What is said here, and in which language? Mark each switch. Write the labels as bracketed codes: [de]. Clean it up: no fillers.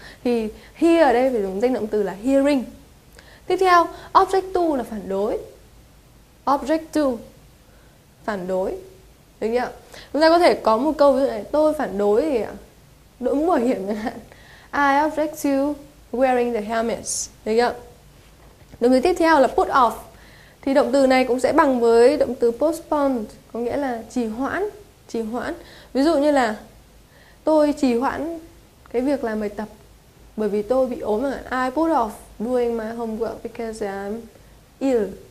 [vi] Thì hear ở đây phải dùng danh động từ là hearing. Tiếp theo, object to là phản đối. Object to, phản đối. Đúng không? Chúng ta có thể có một câu ví dụ này, tôi phản đối thì đội mũ bảo hiểm chẳng hạn. [en] I object to wearing the helmet. [vi] Đúng không? Động từ tiếp theo là put off. Thì động từ này cũng sẽ bằng với động từ postpone, có nghĩa là trì hoãn, trì hoãn. Ví dụ như là tôi trì hoãn cái việc làm bài tập bởi vì tôi bị ốm chẳng hạn. [en] I put off doing my homework because I'm ill.